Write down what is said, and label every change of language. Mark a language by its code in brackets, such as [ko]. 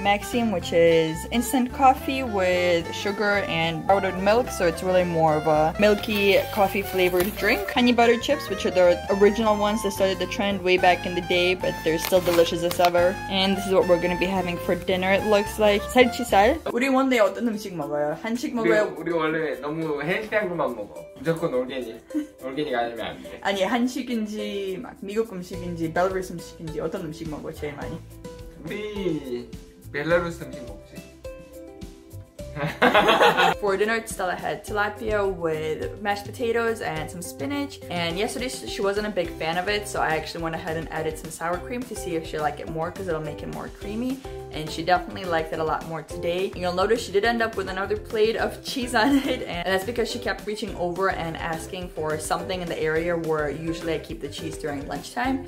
[en] Maxim, which is instant coffee with sugar and powdered milk, so it's really more of a milky coffee flavored drink. Honey butter chips, which are the original ones that started the trend way back in the day, but they're still delicious as ever. And this is what we're gonna be having for dinner, it looks like. Salchisal. [ko] 우리 원래 어떤 음식 먹어요? 한식 먹어요? 우리 원래 너무 올게닉. 올게닉 아니면 안 돼. 아니, 한식인지 막 미국 음식인지 벨라루스 음식인지 어떤 음식 먹어 제일 많이? 우리 벨라루스 음식 먹지. [en] For dinner, Stella had tilapia with mashed potatoes and some spinach. And yesterday, she wasn't a big fan of it, so I actually went ahead and added some sour cream to see if she liked it more because it'll make it more creamy. And she definitely liked it a lot more today. You'll notice she did end up with another plate of cheese on it, and that's because she kept reaching over and asking for something in the area where usually I keep the cheese during lunchtime.